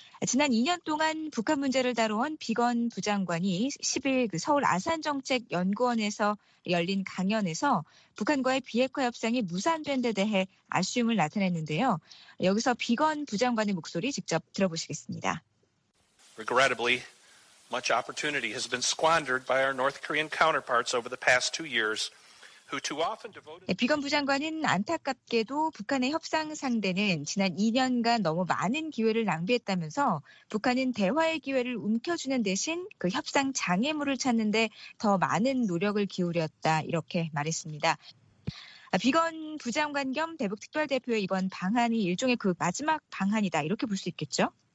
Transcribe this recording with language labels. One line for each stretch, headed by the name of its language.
Korean: 지난 2년 동안 북한 문제를 다뤄온 비건 부장관이 10일 서울 아산정책연구원에서 열린 강연에서 북한과의 비핵화 협상이 무산된 데 대해 아쉬움을 나타냈는데요. 여기서 비건 부장관의 목소리 직접 들어보시겠습니다.
English: Regrettably, much opportunity has been squandered by our North Korean counterparts over the past 2 years, who too often devoted.
Korean: 비건 부장관은 안타깝게도 북한의 협상 상대는 지난 2년간 너무 많은 기회를 낭비했다면서 북한은 대화의 기회를 움켜주는 대신 그 협상 장애물을 찾는 데 더 많은 노력을 기울였다 이렇게 말했습니다. 비건 부장관 겸 대북 특별대표의 이번 방한이 일종의 그 마지막 방한이다 이렇게 볼 수 있겠죠?